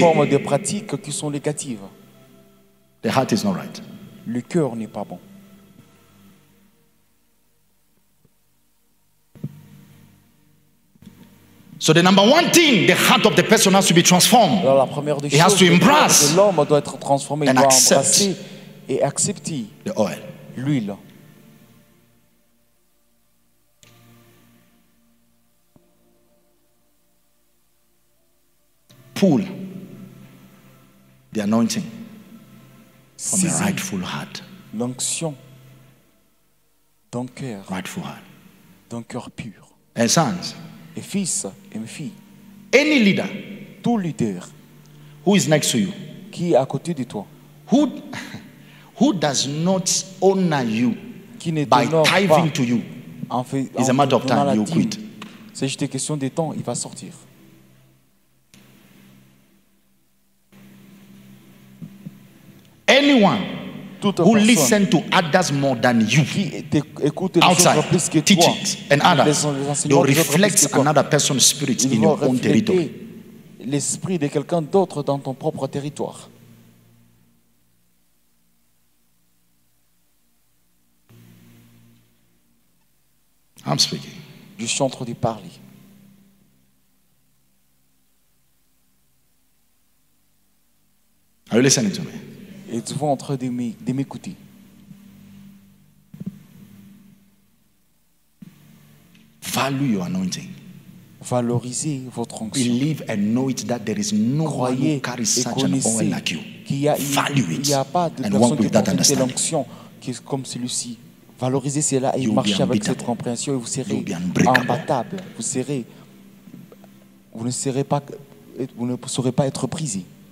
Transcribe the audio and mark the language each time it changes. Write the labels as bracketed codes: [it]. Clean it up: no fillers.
[fr] formes de pratiques qui sont négatives, [en] the heart is not right. [fr] Le cœur n'est pas bon. [en] So the number one thing, the heart of the person has to be transformed. [fr] Alors la première des choses, le cœur de l'homme doit être transformé, doit embrasser et accepter [en] the oil. [fr] L'huile. [en] Pull the anointing from the rightful heart. [fr] L'onction d'un cœur. [en] Rightful heart. [fr] D'un cœur pur. [en] And sons. [fr] Et fils et filles. [en] Any leader, [fr] tout leader, [en] who is next to you, [fr] qui est à côté de toi, [en] who does not honor you, [fr] qui ne [en] by tithing [fr] pas [en] to you, [fr] en fait, [en] is a matter of time you quit. [fr] C'est juste question de temps, il va sortir. [en] Anyone who listens to others more than you, outside teachings and others, they will reflect another person's spirit in your own territory. [fr] L'esprit de quelqu'un d'autre dans ton propre territoire. [en] I'm speaking. [fr] Je suis en train de parler. [en] Are you listening to me? [fr] Êtes-vous en train de m'écouter? [en] Value your anointing. [fr] Valorisez votre onction. [en] Believe and know it that there is no one who carries such an oil like you. Value it. [fr] Il n'y a pas de personne qui porte cette onction qui est comme celui-ci. Valorisez cela et marchez avec cette compréhension et vous serez imbattable. Vous ne saurez pas être brisé.